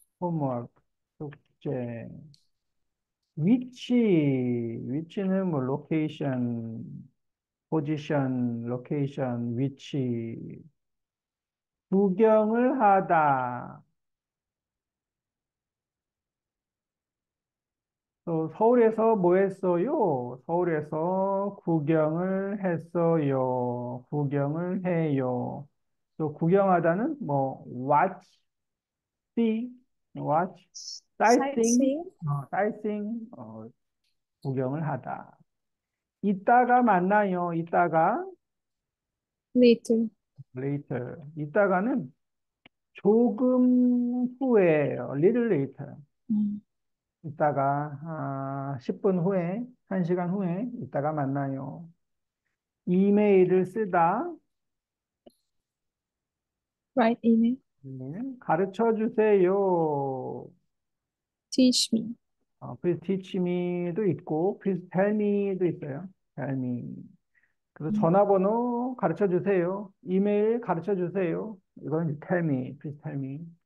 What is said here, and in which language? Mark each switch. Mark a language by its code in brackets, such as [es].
[ko] homework, 숙제. [en] Which는 뭐 location, position, location, which. [ko] 구경을 하다. 서울에서 뭐 했어요? 서울에서 구경을 했어요. 구경을 해요. 또 구경하다는 뭐 [en] watch, see, watch, sightseeing, Sightseeing. [ko] sightseeing, 구경을 하다. 이따가 만나요. 이따가. [en] Later. Later. [ko] 이따가는 조금 후에요. [en] Little later. [ko] 이따가 10분 후에, 1시간 후에 이따가 만나요. 이메일을 쓰다. [en] Right, Amy. [ko] 가르쳐 주세요. [en] Teach me. Please teach me도 있고, please tell me도 있어요. Tell me. [ko] 그래서 전화번호 가르쳐 주세요. 이메일 가르쳐 주세요. 이건 [en] tell me, please tell me.